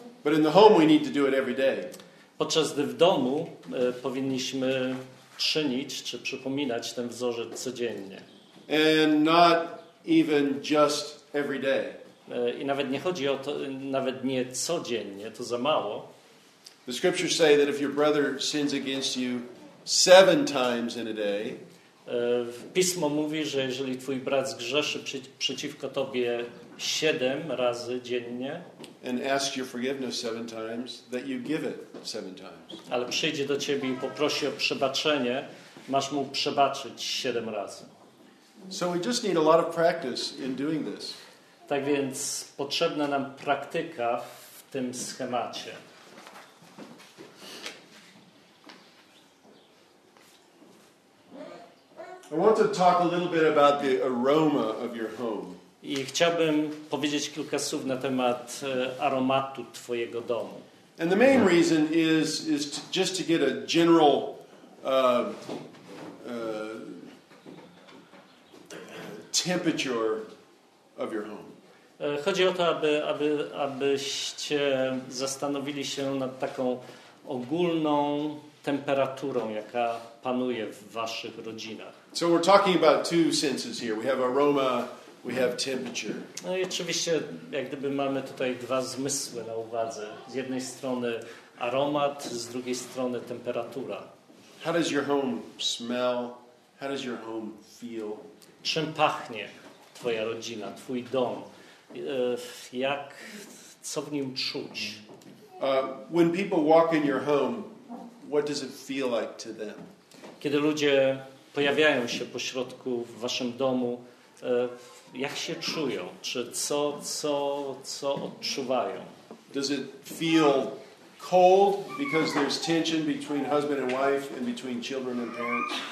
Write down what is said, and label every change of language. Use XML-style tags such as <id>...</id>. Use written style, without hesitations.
<en>But in the home we need to do it every day.</en> <pl>Podczas gdy w domu powinniśmy czynić czy przypominać ten wzorzec codziennie.</pl> <en>And not even just every day.</en> <pl>I nawet nie chodzi o to, nawet nie codziennie, to za mało.</pl> <en>The scriptures say that if your brother sins against you seven times in a day,</en> <pl>Pismo mówi, że jeżeli twój brat zgrzeszy przeciwko tobie siedem razy dziennie,</pl> <en>and ask your forgiveness seven times, that you give it seven times.</en> <pl>Ale przyjdzie do ciebie i poprosi o przebaczenie, masz mu przebaczyć siedem razy.</pl> <en>So we just need a lot of practice in doing this.</en> <pl>Tak więc potrzebna nam praktyka w tym schemacie.</pl> <en>I want to talk a little bit about the aroma of your home.</en> <pl>I chciałbym powiedzieć kilka słów na temat aromatu twojego domu.</pl> <en>And the main reason is to, just to get a general temperature of your home.</en> <pl>Chodzi o to, abyście zastanowili się nad taką ogólną temperaturą, jaka panuje w waszych rodzinach.</pl> <en>So we're talking about two senses here. We have aroma, we have temperature.</en> <pl>No i oczywiście, jak gdyby mamy tutaj dwa zmysły na uwadze. Z jednej strony aromat, z drugiej strony temperatura.</pl> <en>How does your home smell? How does your home feel?</en> <pl>Czym pachnie twoja rodzina, twój dom? Jak, co w nim czuć?</pl> <en>When people walk in your home, what does it feel like to them?</en> <pl>Kiedy ludzie pojawiają się po środku w waszym domu, jak się czują? Czy co odczuwają?</pl> <en>Does it feel cold because there's tension between husband and wife and between children and parents?</en>